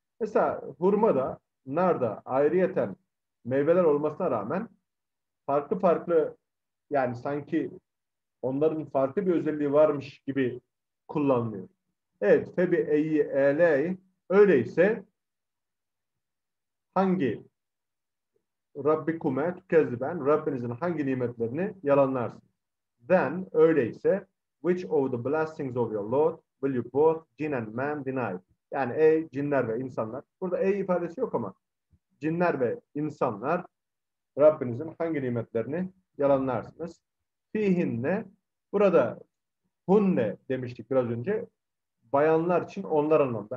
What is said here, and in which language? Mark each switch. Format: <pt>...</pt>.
<tr>Mesela hurma da nar da ayrıyeten meyveler olmasına rağmen farklı farklı, yani sanki onların farklı bir özelliği varmış gibi kullanılıyor. Evet,</tr> <ar>febi eyi eley,</ar> <tr>öyleyse hangi</tr> <ar>Rabbikume tükezben,</ar> <tr>Rabbinizin hangi nimetlerini yalanlarsın?</tr> <en>Then,</en> <tr>öyleyse</tr> <en>which of the blessings of your Lord will you both jinn and man deny?</en> <tr>Yani ey cinler ve insanlar, burada ey ifadesi yok ama cinler ve insanlar Rabbinizin hangi nimetlerini yalanlarsınız? Fihinne, burada hunne demiştik biraz önce, bayanlar için onlar anlamında.</tr>